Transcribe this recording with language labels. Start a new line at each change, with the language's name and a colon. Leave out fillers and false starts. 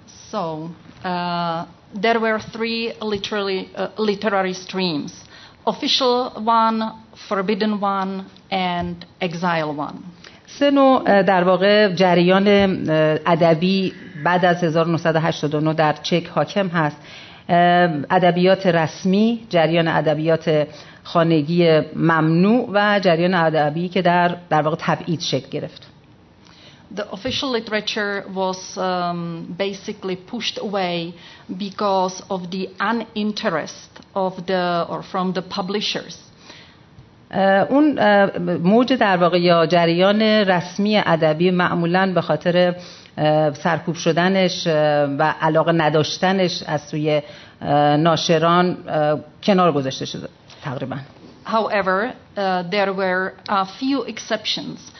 English: So, there were three literary streams. Official one, forbidden one, and exile one.
Persian: سه نوع در واقع جریان ادبی بعد از 1989 در چک حاکم هست. ادبیات رسمی، جریان ادبیات خانگی ممنوع و جریان ادبی که در واقع تبعید شکل گرفت.
English: The official literature was basically pushed away because of the uninterest of the or from the publishers.
Persian: اون موج در واقع یا جریان رسمی ادبی معمولاً به خاطر سرکوب شدنش و علاقه نداشتنش از سوی ناشران کنار گذاشته شده تقریبا.
English: However, there were a few exceptions.